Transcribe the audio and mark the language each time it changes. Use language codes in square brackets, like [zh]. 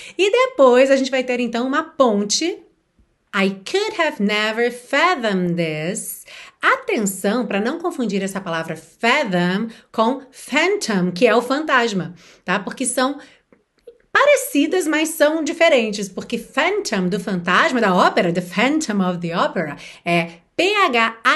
[pt] E depois a gente vai ter então uma ponte. [en] I could have never fathomed this. [pt] Atenção para não confundir essa palavra fathom com phantom, que é o fantasma, tá? Porque são parecidas, mas são diferentes. Porque phantom do fantasma da ópera, [en] the phantom of the opera, [pt] é phantom.